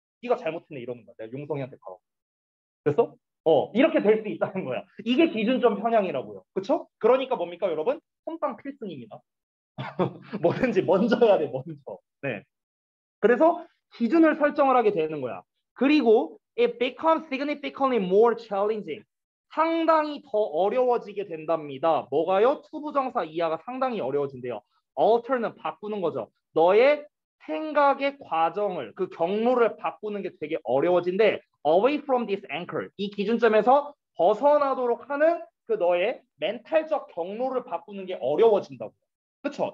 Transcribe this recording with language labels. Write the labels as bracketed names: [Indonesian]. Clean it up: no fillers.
[Korean] 네가 잘못했네, 이러는 거야. 내가 용성이한테 가라고. 됐어? 이렇게 될 수 있다는 거야. 이게 기준점 편향이라고요. 그쵸? 그러니까 뭡니까, 여러분? 선빵 필승입니다. 뭐든지 먼저 해야 돼, 먼저. 네. 그래서 기준을 설정을 하게 되는 거야. 그리고 [English] it becomes significantly more challenging. [Korean] 상당히 더 어려워지게 된답니다. 뭐가요? 투부정사 이하가 상당히 어려워진대요. alter는 바꾸는 거죠. 너의 생각의 과정을, 그 경로를 바꾸는 게 되게 어려워진데 [English] away from this anchor, [Korean] 이 기준점에서 벗어나도록 하는 그 너의 멘탈적 경로를 바꾸는 게 어려워진다고. 그렇죠?